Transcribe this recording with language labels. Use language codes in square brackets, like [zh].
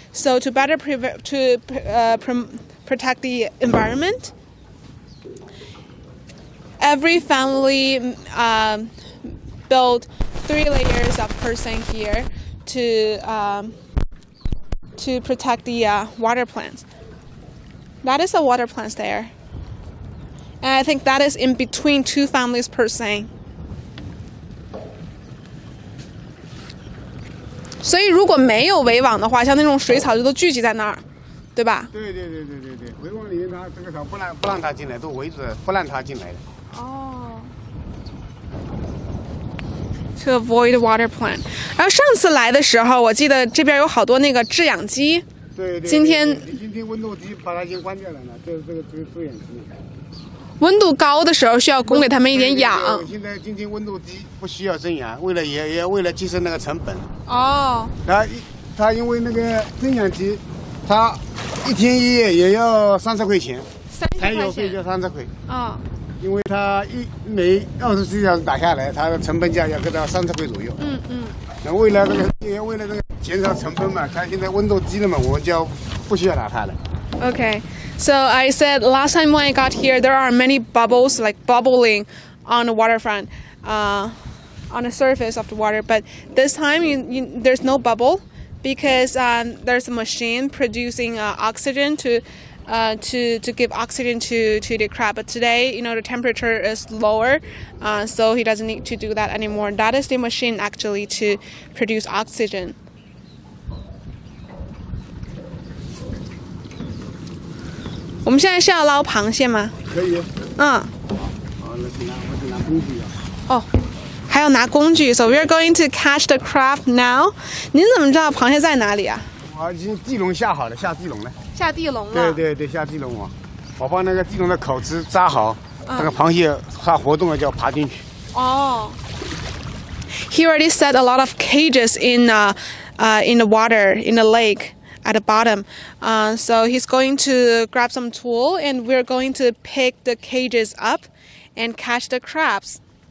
[en] So to better protect the environment,Every family built three layers of purseing here to protect the water plants. That is the water plants there. And I think that is in between two families purseing. [zh] 所以如果没有围网的话，像那种水草就都聚集在那儿。对吧？对，围网里面它这个草不让它进来，都围着不让它进来的。哦。 [en] To avoid water plant。 [zh] 然后上次来的时候，我记得这边有好多那个制氧机。对。今天温度计把它已经关掉了呢，这个制氧机。温度高的时候需要供给他们一点氧。现在今天温度低，不需要增氧，为了为了节省那个成本。哦。然后它因为那个制氧机。他一天一夜也要30块钱，柴油费就30块。啊、哦，因为他一每24小时打下来，他的成本价要给到30块左右。嗯嗯。那为了这个减少成本嘛，他现在温度低了嘛，我就不需要拿它了。 [en] Okay, so I said last time when I got here, there are many bubbles like bubbling on the waterfront, on the surface of the water. But this time, you there's no bubble. Because there's a machine producing oxygen to give oxygen to the crab. But today, you know, the temperature is lower, so he doesn't need to do that anymore. That is the machine actually to produce oxygen. We're going to catch crabs now, right? Yes. Yes. Oh. [zh] 还要拿工具 [en] ，so we are going to catch the crab now。 [zh] 您怎么知道螃蟹在哪里啊？我已经地笼下好了，下地笼了。下地笼了。对，下地笼网。我把那个地笼的口子扎好，那个螃蟹它活动了就要爬进去。哦。 [en] He already set a lot of cages in the water in the lake at the bottom. So he's going to grab some tool and we're going to pick the cages up and catch the crabs.